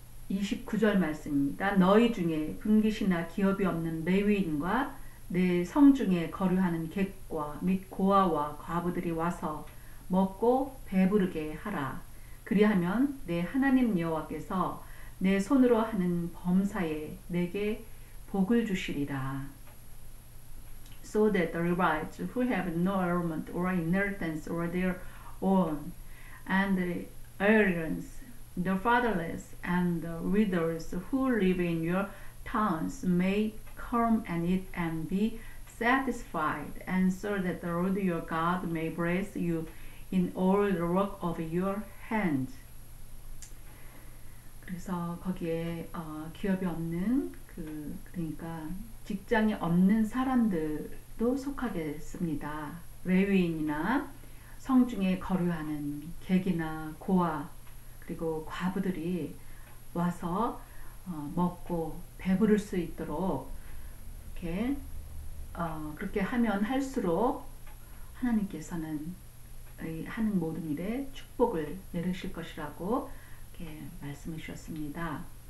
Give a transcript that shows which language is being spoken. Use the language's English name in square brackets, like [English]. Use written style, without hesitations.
[Korean] 29절 말씀입니다. 너희 중에 분깃이나 기업이 없는 레위인과 내 성 중에 거류하는 객과 및 고아와 과부들이 와서 먹고 배부르게 하라. 그리하면 내 하나님 여호와께서 내 손으로 하는 범사에 내게 복을 주시리라. [English] So that the Levites who have no allotment or inheritance or their own, and the aliens, the fatherless, and the widows who live in your towns may come and eat and be satisfied, and so that the Lord your God may bless you in all the work of your hand. [Korean] 그래서 거기에 기업이 없는 그러니까 직장이 없는 사람들도 속하겠습니다. 레위인이나 성중에 거류하는 객이나 고아 그리고 과부들이 와서 먹고 배부를 수 있도록 이렇게 그렇게 하면 할수록 하나님께서는 하는 모든 일에 축복을 내리실 것이라고 이렇게 말씀해 주셨습니다.